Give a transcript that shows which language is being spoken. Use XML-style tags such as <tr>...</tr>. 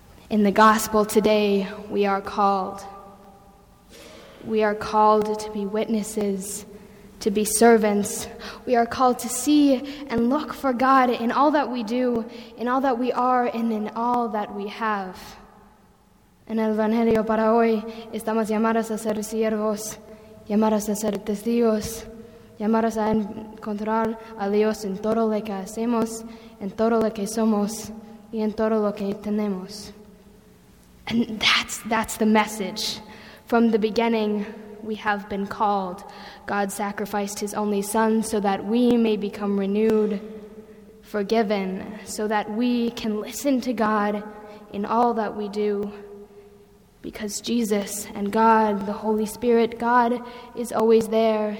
<en>In the gospel today, we are called. We are called to be witnesses, to be servants. We are called to see and look for God in all that we do, in all that we are, and in all that we have.</en> <es>En el Evangelio para hoy, estamos llamados a ser siervos, llamados a ser testigos, llamados a encontrar a Dios en todo lo que hacemos, en todo lo que somos, y en todo lo que tenemos.</es> <en>And that's the message. From the beginning, we have been called. God sacrificed his only son so that we may become renewed, forgiven, so that we can listen to God in all that we do. Because Jesus and God, the Holy Spirit, God is always there.</en>